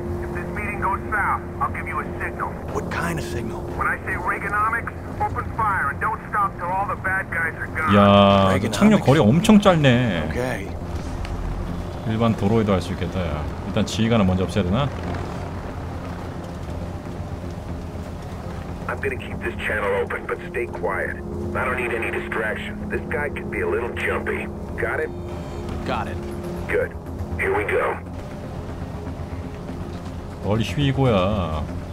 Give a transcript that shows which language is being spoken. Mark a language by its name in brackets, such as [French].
[English] If this meeting goes south, I'll give you a signal. What kind of signal? When I say Reaganomics, open fire and don't stop till all the bad guys are gone. [Korean] 야, 이 착륙 거리 엄청 짧네. [English] Okay. [Korean] 일반 도로에도 할 수 있겠다. 야. 일단 지휘관은 먼저 없애야 되나? [English] I'm gonna keep this channel open, but stay quiet. I don't need any distractions. This guy could be a little jumpy. Got it? Got it. Good. Here we go. [Korean] 어디 휘고야?